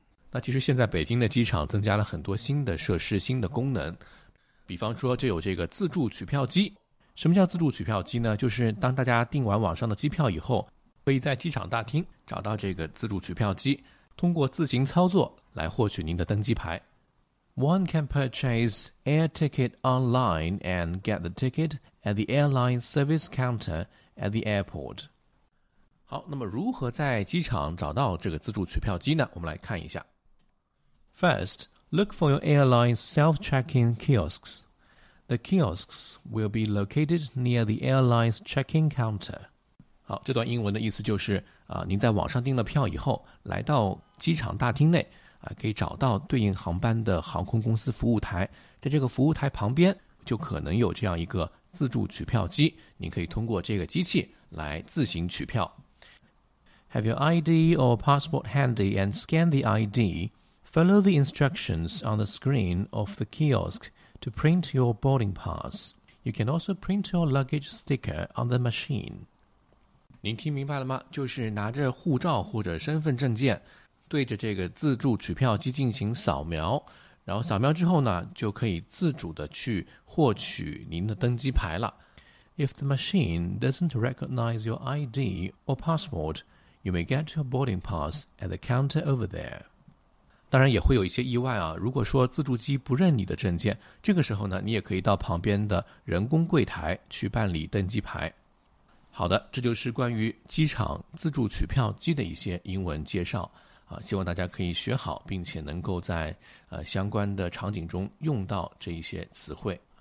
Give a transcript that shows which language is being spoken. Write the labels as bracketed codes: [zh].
[zh] 那其实现在北京的机场增加了很多新的设施新的功能，比方说就有这个自助取票机。什么叫自助取票机呢？就是当大家订完网上的机票以后，可以在机场大厅找到这个自助取票机，通过自行操作来获取您的登机牌。 [en] One can purchase air ticket online and get the ticket at the airline service counter at the airport。 [zh] 好，那么如何在机场找到这个自助取票机呢？我们来看一下。 [en] First, look for your airline's self-check-in kiosks. The kiosks will be located near the airline's check-in counter. [zh] 好，这段英文的意思就是您在网上订了票以后，来到机场大厅内可以找到对应航班的航空公司服务台，在这个服务台旁边就可能有这样一个自助取票机，您可以通过这个机器来自行取票。 [en] Have your ID or passport handy and scan the ID. Follow the instructions on the screen of the kiosk. To print your boarding pass, you can also print your luggage sticker on the machine. [zh] 您听明白了吗？就是拿着护照或者身份证件，对着这个自助取票机进行扫描，然后扫描之后呢，就可以自主的去获取您的登机牌了。 [en] If the machine doesn't recognize your ID or passport, you may get your boarding pass at the counter over there. [zh] 当然也会有一些意外啊，如果说自助机不认你的证件，这个时候呢，你也可以到旁边的人工柜台去办理登机牌。好的，这就是关于机场自助取票机的一些英文介绍啊，希望大家可以学好，并且能够在相关的场景中用到这一些词汇。